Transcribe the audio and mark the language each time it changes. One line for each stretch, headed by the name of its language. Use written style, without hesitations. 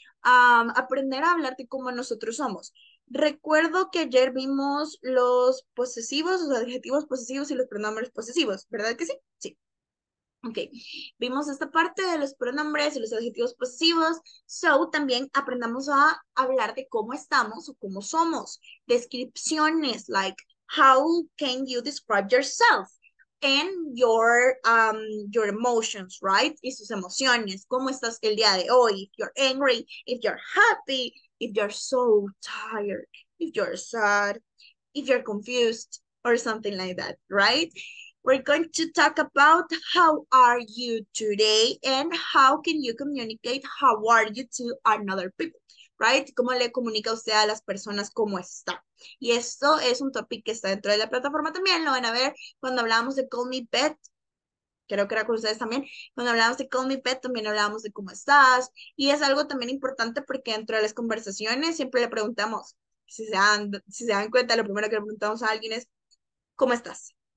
Spanish: Aprender a hablar de cómo nosotros somos. Recuerdo que ayer vimos los posesivos, los adjetivos posesivos y los pronombres posesivos, ¿verdad que sí? Sí. Ok. Vimos esta parte de los pronombres y los adjetivos posesivos. So, también aprendamos a hablar de cómo estamos o cómo somos.
English: Descripciones, like, how can you describe yourself and your emotions, right?
Spanish: Y sus emociones. ¿Cómo estás el día de hoy?
English: If you're angry, if you're happy, if you're so tired, if you're sad, if you're confused, or something like that, right? We're going to talk about how are you today and how can you communicate how are you to another people, right?
Spanish: ¿Cómo le comunica usted a las personas cómo está? Y esto es un topic que está dentro de la plataforma también. Lo van a ver cuando hablamos de Call Me Pet. Creo que era con ustedes también. Cuando hablábamos de Call Me Pet, también hablábamos de cómo estás. Y es algo también importante porque dentro de las conversaciones siempre le preguntamos, si se dan cuenta, lo primero que le preguntamos a alguien es, ¿cómo estás?